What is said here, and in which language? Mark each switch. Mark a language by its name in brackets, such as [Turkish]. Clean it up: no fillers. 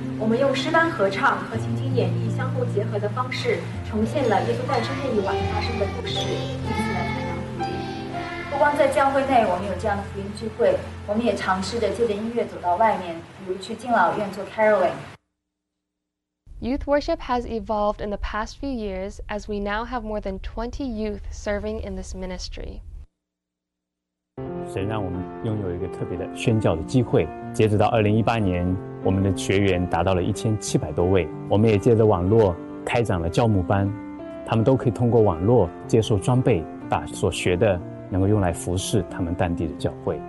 [Chinese] 我们用诗班合唱和情景演绎相互结合的方式，重现了耶稣诞生那一晚发生的故事，一起来传扬福音。不光在教会内我们有这样的福音聚会，我们也尝试着借着音乐走到外面，比如去敬老院做 caroling。 [English] Youth worship has evolved in the past few years as we now have more than 20 youth serving in this ministry. [Chinese] 神让我们拥有一个特别的宣教的机会，截止到2018年，我们的学员达到了1700多位。我们也借着网络开展了教牧班，他们都可以通过网络接受装备，把所学的能够用来服侍他们当地的教会。